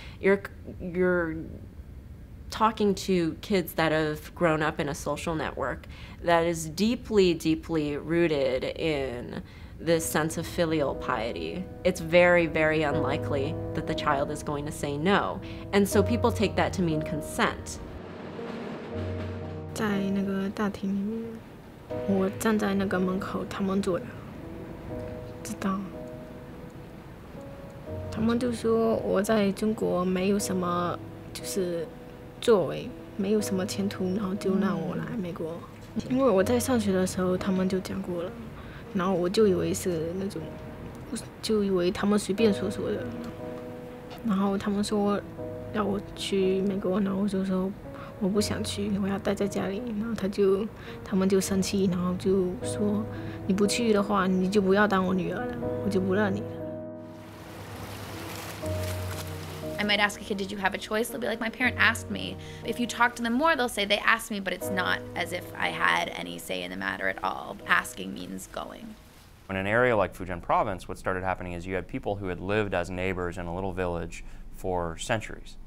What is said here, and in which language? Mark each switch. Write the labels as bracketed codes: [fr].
[en] You're talking to kids that have grown up in a social network that is deeply, deeply rooted in this sense of filial piety. It's very, very unlikely that the child is going to say no. And so people take that to mean consent. [zh] 在那个大厅里面，我站在那个门口，他们走了，知道。他们就说我在中国没有什么就是作为，没有什么前途，然后就让我来美国。因为我在上学的时候他们就讲过了，然后我就以为是那种，就以为他们随便说说的。然后他们说要我去美国，然后我就说我不想去，我要待在家里。然后他们就生气，然后就说你不去的话你就不要当我女儿了，我就不认你了。 [en] I might ask a kid, did you have a choice? They'll be like, my parent asked me. If you talk to them more, they'll say, they asked me, but it's not as if I had any say in the matter at all. Asking means going. In an area like Fujian province, what started happening is you had people who had lived as neighbors in a little village for centuries.